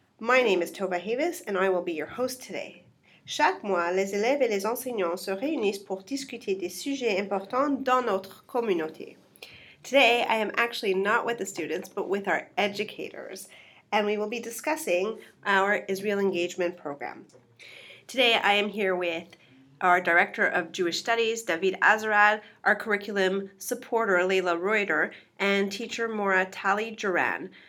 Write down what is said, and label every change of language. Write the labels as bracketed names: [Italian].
[English] My name is Tova Havis, and I will be your host today. [French] Chaque mois, les élèves et les enseignants se réunissent pour discuter des sujets importants dans notre communauté. [English] Today, I am actually not with the students, but with our educators, and we will be discussing our Israel Engagement Program. Today, I am here with our Director of Jewish Studies, David Azarad, our Curriculum Supporter, Leila Reuter, and Teacher Mora Tali Duran.